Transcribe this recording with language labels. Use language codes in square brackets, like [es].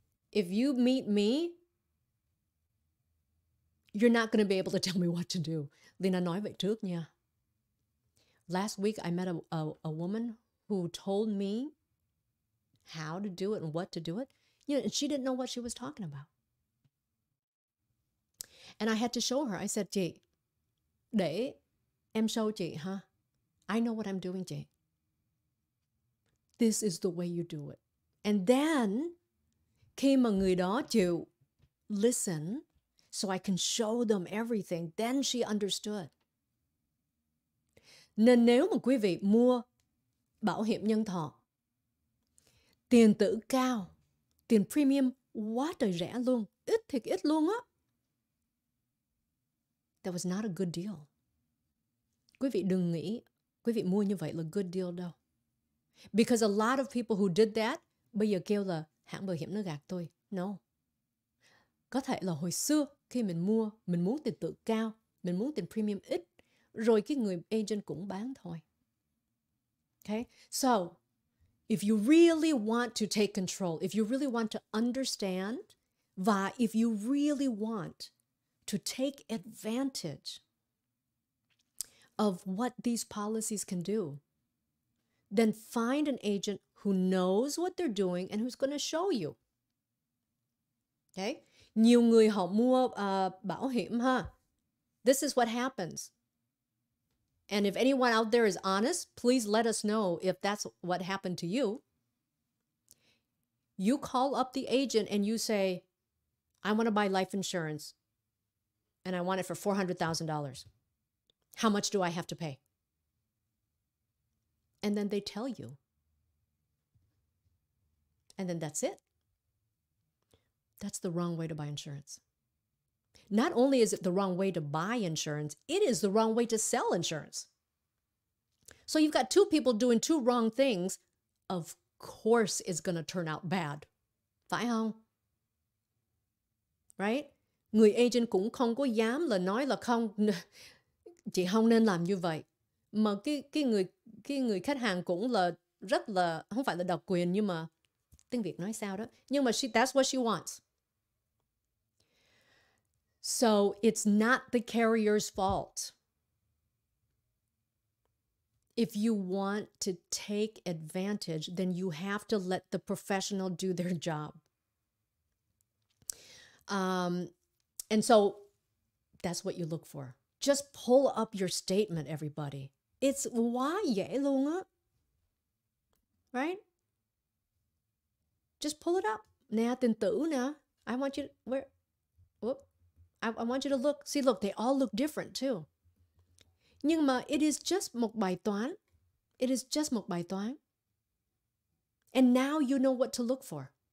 [en] If you meet me, you're not going to be able to tell me what to do. [vi] Leyna nói vậy trước nha. [en] Last week, I met a woman who told me how to do it and what to do it. You know, and she didn't know what she was talking about. And I had to show her. I said, chị, [vi] để em [en] show chị, huh? I know what I'm doing, chị. This is the way you do it. And then, [vi] khi mà người đó chịu [en] listen, so I can show them everything. Then she understood. [vi] Nên nếu mà quý vị mua bảo hiểm nhân thọ, tiền tử cao, tiền premium quá trời rẻ luôn, ít thiệt ít luôn á. [en] That was not a good deal. [vi] Quý vị đừng nghĩ quý vị mua như vậy là [en] good deal [vi] đâu. [en] Because a lot of people who did that, [vi] bây giờ kêu là hãng bảo hiểm nó gạt tôi. [en] No. [vi] Có thể là hồi xưa khi mình mua, mình muốn tiền tử cao, mình muốn tiền premium ít, rồi cái người agent cũng bán thôi. [en] Okay? So, if you really want to take control, if you really want to understand, [vi] và [en] if you really want to take advantage of what these policies can do, then find an agent who knows what they're doing and who's going to show you. Okay? [vi] Nhiều người họ mua bảo hiểm ha. [en] This is what happens. And if anyone out there is honest, please let us know if that's what happened to you. You call up the agent and you say, I want to buy life insurance and I want it for $400,000. How much do I have to pay? And then they tell you. And then that's it. That's the wrong way to buy insurance. Not only is it the wrong way to buy insurance, it is the wrong way to sell insurance. So you've got two people doing two wrong things. Of course it's going to turn out bad. [vi] Phải không? [en] Right? [vi] Người agent cũng không có dám là nói là không, chị không nên làm như vậy. Mà cái người khách hàng cũng là rất là, không phải là độc quyền nhưng mà tiếng Việt nói sao đó. Nhưng mà [en] that's what she wants. So it's not the carrier's fault. If you want to take advantage, then you have to let the professional do their job. And so that's what you look for. Just pull up your statement, everybody. It's why [vi] dễ luôn á. [en] Right? Just pull it up. [vi] Nè, tin tử nè. [en] I want you to, where? Whoop. I want you to look. See, look, they all look different too. [vi] Nhưng mà [en] it is just [vi] một bài toán. [en] It is just [vi] một bài toán. [en] And now you know what to look for.